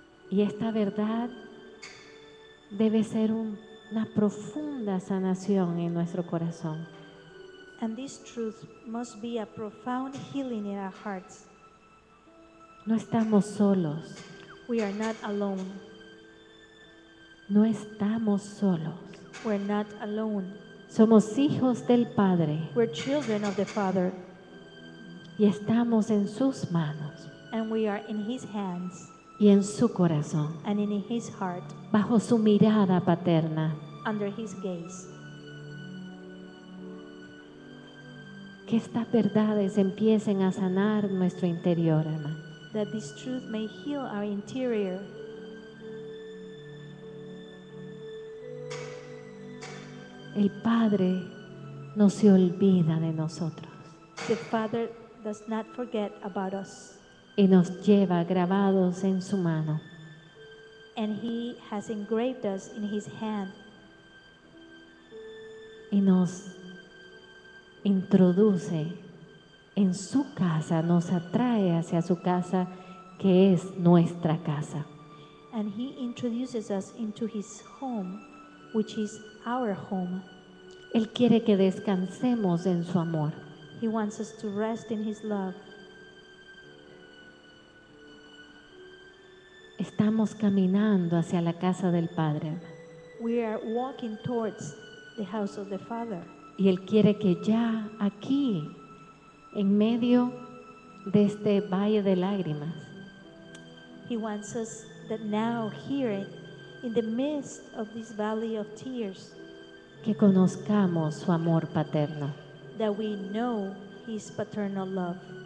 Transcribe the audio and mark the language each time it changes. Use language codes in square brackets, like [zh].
[es] Y esta verdad debe ser una profunda sanación en nuestro corazón. [en] And this truth must be a profound healing in our hearts. [es] No estamos solos. [en] We are not alone. [es] No estamos solos. [en] We're not alone. [es] Somos hijos del Padre. [en] We're children of the Father. [es] Y estamos en sus manos. [en] And we are in his hands. [es] Y en su corazón. [en] And in his heart. [es] Bajo su mirada paterna. [en] Under his gaze. [es] Que estas verdades empiecen a sanar nuestro interior, hermano. [en] That this truth may heal our interior. [es] El Padre no se olvida de nosotros. [en] The Father does not forget about us. [es] Y nos lleva grabados en su mano. [en] And he has engraved us in his hand. [es] Y nos introduce en su casa, nos atrae hacia su casa, que es nuestra casa. [en] And he introduces us into his home, which is our home. [es] Él quiere que descansemos en su amor. [en] He wants us to rest in his love. [es] Estamos caminando hacia la casa del Padre. [en] We are walking towards the house of the Father. [es] Y Él quiere que ya aquí, en medio de este valle de lágrimas, [en] he wants us that now here in the midst of this valley of tears, [es] que conozcamos su amor paterno, [en] that we know his paternal love.